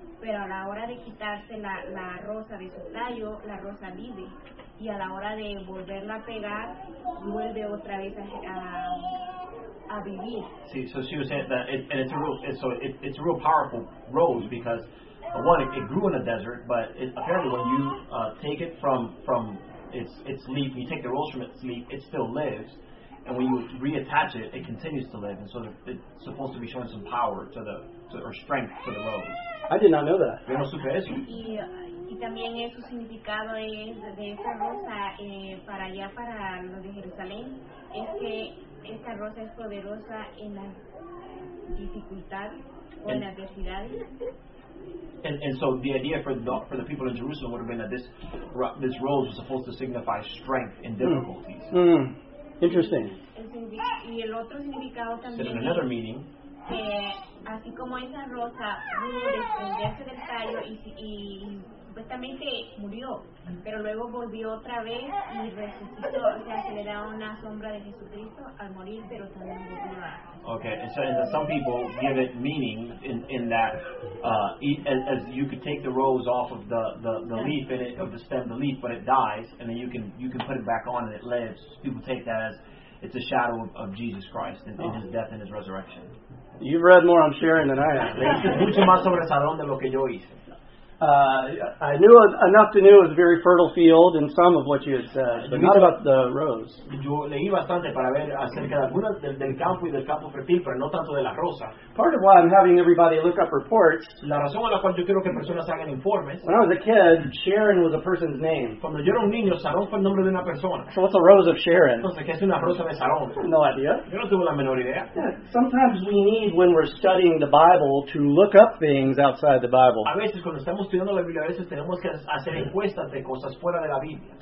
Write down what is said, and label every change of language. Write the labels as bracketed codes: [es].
[es] Pero a la hora de quitarse la rosa de su tallo, la rosa vive. Y a la hora de volverla a pegar, vuelve otra vez a vivir. [en] Sí, so she was saying that, it's a real powerful rose because, one, it grew in a desert, but it, apparently when you take it from its leaf, you take the rose from its leaf, it still lives. And when you reattach it, it continues to live. And so it's supposed to be showing some power or strength to the rose. I did not know that. [es] Yo no supe eso. Y también su significado es de esta rosa para allá, para los de Jerusalén, es que esta rosa es poderosa en la dificultad o en la adversidad. [en] And so the idea for the people in Jerusalem would have been that this rose was supposed to signify strength in difficulties. Mm. Interesting. [es] Y el otro significado también. [en] So in another meaning. [es] Así como esa rosa pudo desprenderse del tallo y supuestamente murió, pero luego volvió otra vez y resucitó, o sea, se le da una sombra de Jesucristo al morir, pero también volvió a... [en] Okay, so some people give it meaning in that as you could take the rose off of the leaf in it, of the stem, the leaf, but it dies, and then you can put it back on and it lives. People take that as it's a shadow of Jesus Christ and his death and his resurrection. You've read more on Sharon than I have. [es] Mucho más sobre Sarón de lo que yo hice. [en] I knew enough to know it was a very fertile field and some of what you had said, but not about the rose. [es] Yo leí bastante para ver acerca de algunas del campo y del campo fertil, pero no tanto de la rosa. [en] Part of why I'm having everybody look up reports. [es] La razón a la cual yo quiero que personas hagan informes. [en] When I was a kid, Sharon was a person's name. [es] Cuando yo era un niño, Sharon fue el nombre de una persona. [en] So what's a rose of Sharon? [es] Entonces, ¿qué es una rosa de Sharon? [en] No idea. [es] Yo no tuve la menor idea. [en] Yeah, sometimes we need, when we're studying the Bible, to look up things outside the Bible. [es] A veces cuando estamos estudiando la Biblia, a veces tenemos que hacer encuestas de cosas fuera de la Biblia.